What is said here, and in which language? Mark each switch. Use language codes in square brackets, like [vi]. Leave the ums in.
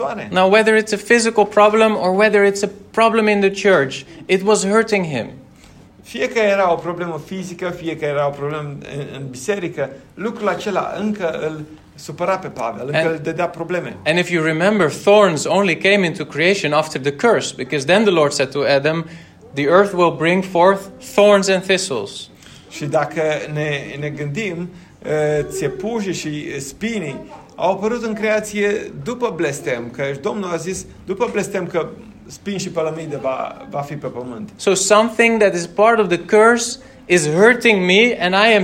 [en] Now whether it's a physical problem or whether it's a problem in the church, it was hurting him. [ro] Fie că era o problemă fizică, fie că era o problemă în, în biserică, lucrul acela încă îl supăra pe Pavel, and, încă and, îl dădea probleme. [en] And if you remember, thorns only came into creation after the curse, because then the Lord said to Adam, The earth will bring forth thorns and thistles. [ro] Și dacă ne, ne gândim, uh, țepușii și spinii au apărut în creație după blestem, că Domnul a zis după blestem că spin și pălămide va, va fi pe pământ. [en] So something that is part of the curse is hurting me and I am